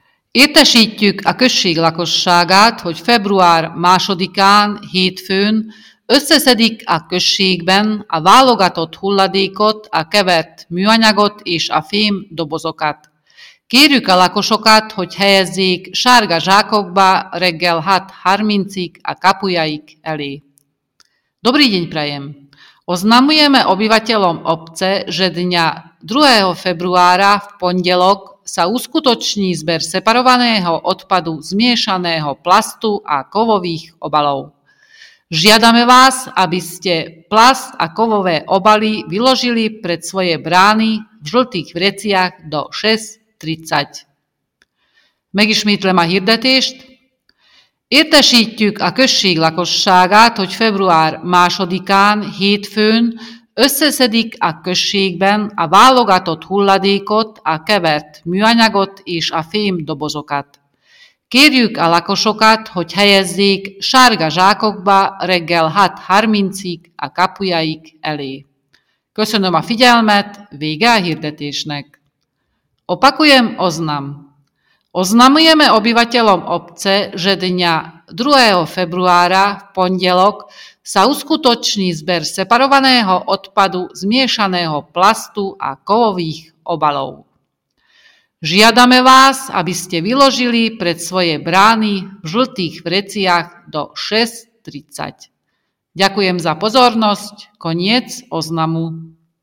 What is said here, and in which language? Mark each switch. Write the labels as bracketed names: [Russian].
[Hungarian] Értesítjük a község lakosságát, hogy február 2-án, hétfőn összeszedik a községben a válogatott hulladékot, a kevert műanyagot és a fém dobozokat. Kérjük a lakosokat, hogy helyezzék sárga zsákokba reggel 6:30-ig a kapujaik elé. [Slovak] Dobrý deň prajem! Oznamujeme obyvateľom obce, že dňa 2. februára v pondelok sa uskutoční zber separovaného odpadu zmiešaného plastu a kovových obalov. Žiadame vás, aby ste plast a kovové obaly vyložili pred svoje brány v žltých vreciach do 6:30. [Hungarian] Megismétlem a hirdetést. Értesítjük a község lakosságát, hogy február 2-án, hétfőn összeszedik a községben a válogatott hulladékot, a kevert műanyagot és a fém dobozokat. Kérjük a lakosokat, hogy helyezzék sárga zsákokba reggel 6:30-ig a kapujaik elé. Köszönöm a figyelmet, vége a hirdetésnek. [Slovak] Opakujem oznam. Oznamujeme obyvateľom obce, že dňa 2. februára v pondelok sa uskutoční zber separovaného odpadu zmiešaného plastu a kovových obalov. Žiadame vás, aby ste vyložili pred svoje brány v žltých vreciach do 6:30. Ďakujem za pozornosť. Koniec oznamu.